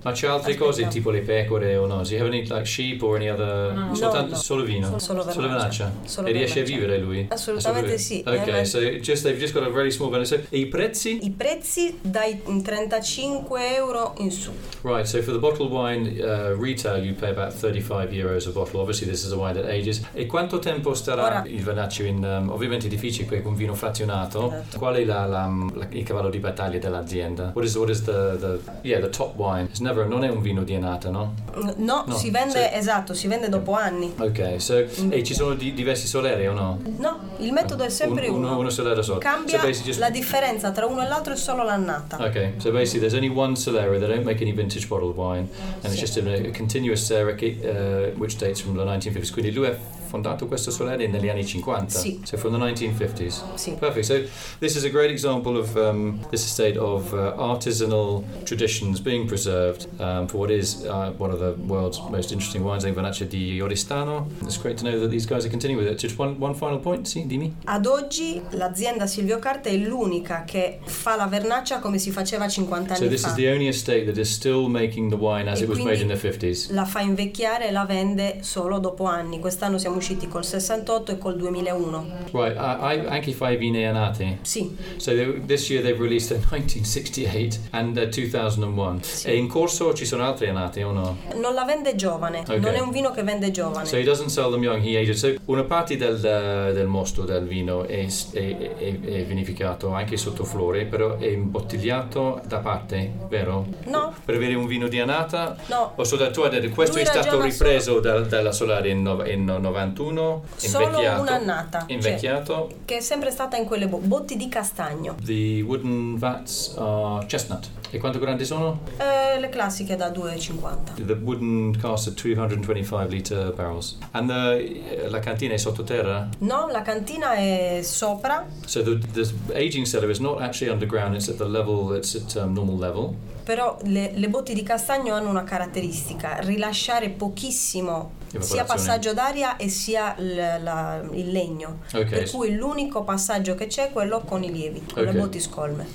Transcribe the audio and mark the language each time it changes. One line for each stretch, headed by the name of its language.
Italian: Ma c'è altre cose, tipo le pecore o no?
English: Do you have any like sheep or any other...
Italian: No. Solo vino, solo vernaccia, e riesce a vivere lui? Assolutamente sì.
English: Ok, they've just got a very small vernaccia.
Italian: E i prezzi? I prezzi dai 35 euro in su.
English: Right, so for the bottled wine retail you pay about 35 euros a bottle. Obviously this is a wine that ages.
Italian: E quanto tempo starà il vernaccio in... ovviamente è difficile perché con vino frazionato. Esatto. Qual è il cavallo di battaglia dell'azienda?
English: What is the top wine? It's never,
Italian: non è un vino di annata, no? No, si vende, si vende dopo anni. Ok, so, e ci sono diversi soleri o no? No, il metodo è sempre uno solera solo. Cambia,
English: so
Italian: la differenza tra uno e l'altro è solo l'annata.
English: Ok, so basically there's only one solera, they don't make any vintage bottled wine, and it's just a continuous serra which dates from the 1950s.
Italian: Quindi lui ha fondato questo solera negli anni 50. Sì.
English: So from the 1950s.
Italian: Sì.
English: Perfect, so this is a great example of this estate of artisanal traditions being preserved for what is one of the world's most interesting wines, in Vernaccia di Oristano. It's great to know that these guys are continuing with it. Just one final point,
Italian: sì, dimmi. Ad oggi l'azienda Silvio Carta è l'unica che fa la vernaccia come si faceva 50 anni fa. So this is the only estate that is still making the wine as it was made in the 50s. La fa invecchiare e la vende solo dopo anni. Quest'anno siamo usciti col 68 e col 2001. Right, anche fai vini annati. Sì.
English: So this year they've released a 1968 and a 2001.
Italian: Sì. E in corso ci sono altri annati o no? Non la vende giovane.
English: Okay.
Italian: Non è un vino che vende giovane.
English: So he doesn't sell them young, he ages.
Italian: So una parte del mosto del vino è vinificato anche sotto flore, però è imbottigliato da parte, vero? No. Per avere un vino di annata? No. O so tu hai detto, questo lui è stato ripreso dalla solare in 91, invecchiato. Solo un'annata. Invecchiato. Cioè, che è sempre stata in quelle botti di castagno.
English: The wooden vats are chestnut.
Italian: E quanto grandi sono? Le classiche da 2,50.
English: The wooden cask are 225 litre. Barrels. And
Italian: la cantina è sottoterra? No, la cantina è sopra.
English: So the aging cellar is not actually underground, it's at the level, it's at normal level.
Italian: Però le botti di castagno hanno una caratteristica, rilasciare pochissimo sia passaggio d'aria e sia il legno.
English: Okay.
Italian: Per cui l'unico passaggio che c'è è quello con i lievi, con le botti scolme.